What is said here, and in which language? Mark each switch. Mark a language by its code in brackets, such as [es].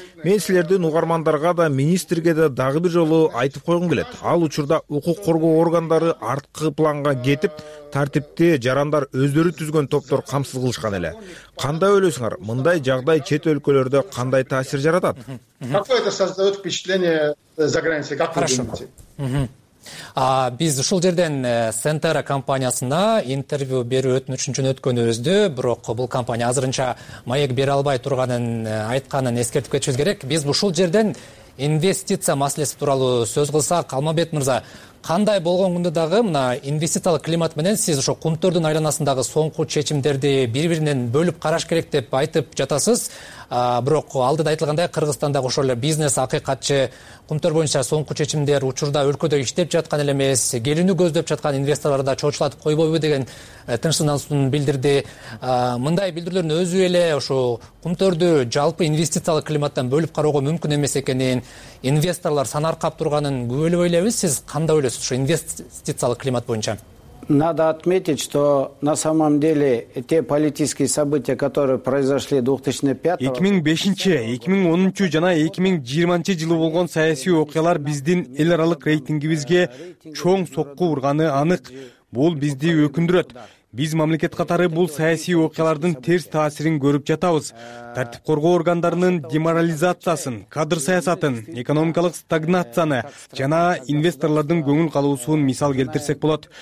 [ky] Мен силердин угармандарга да министрге да дагы бир жолу айтып койгум келет. Ал учурда укук коргоо органдары арткы планга кетип, тартипти жарандар өздөрү түзгөн топтор камсыз кылышкан эле. Кандай ойлойсуңар, мындай жагдай чет өлкөлөрдө кандай таасир жаратат? [ru] Какое это создает впечатление за границей? Как вы думаете? [ky] Биз ушул жерден Сентера компаниясына интервью берүү өтүнүчүн жөнөткөнүбүздө, бирок бул компания азырынча маек бере албай турганын айтканын эскертип кетчүбүз керек. Биз ушул жерден инвестиция маселеси тууралуу сөз кылсак, Калмабет мырза, кандай болгон күндө дагы мына инвестициялык климат менен сиз ошо кумтордун айланасындагы соңку чечимдерди бири биринен бөлүп караш керек деп айтып жатасыз. Бирок алдыда айтылгандай, Кыргызстандагы ошол эле бизнес акыйкатчы кумтор боюнча соңку чечимдер учурда өлкөдө иштеп жаткан эле эмес, келүүнү көздөп жаткан инвесторлорду чоочулатып койбойбу деген тынчсыздануусун билдирди. Мындай билдирүүлөрдүн өзү эле ошо кумтордо жалпы инвестициялык климаттан бөлүп кароого мүмкүн эмес экенин, инвесторлор сан аркап турганын күбөлөп элебиз. Сиз кандай ойлойсуз ушу инвестициялык климат боюнча? [ru] Надо отметить, что на самом деле те политические события, которые произошли 2005-го... [ky] 2005-й, 2010-й жана 2020-й жылы болгон саясий окуялар биздин эл аралык рейтингибизге чоң сокку урганы анык. Бул бизди өкүндүрөт. Биз мамлекет катары бул саясий окуялардын терс таасирин көрүп жатабыз. Тартип коргоо органдарынын деморализациясын, кадр саясатын, экономикалык стагнацияны жана инвесторлордун көңүл калуусун мисал келтирсек болот.